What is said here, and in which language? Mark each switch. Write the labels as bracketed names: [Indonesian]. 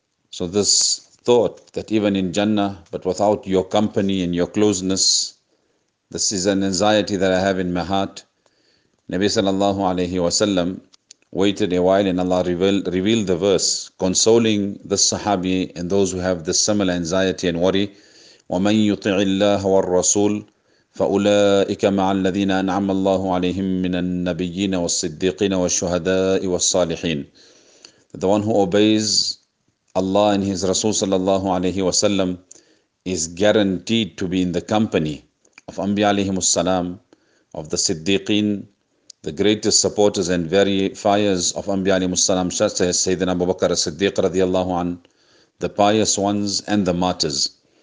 [English] So this thought that even in Jannah, but without your company and your closeness, this is an anxiety that I have in my heart. Nabi sallallahu alayhi wa sallam waited a while, and Allah revealed the verse consoling the sahabi and those who have this similar anxiety and worry. [Arabic] ومن يطع الله والرسول فأولئك مع الذين أنعم الله عليهم من النبيين والصديقين والشهداء والصالحين. [English] The one who obeys Allah and His Rasul sallallahu alayhi wa sallam is guaranteed to be in the company of Anbiya alayhim as-salam, of the Siddiqeen, the greatest supporters and verifiers of Anbiya alayhim as-salam, such as Sayyidina Abu Bakr as-Siddiq radiyallahu an, the pious ones and the martyrs.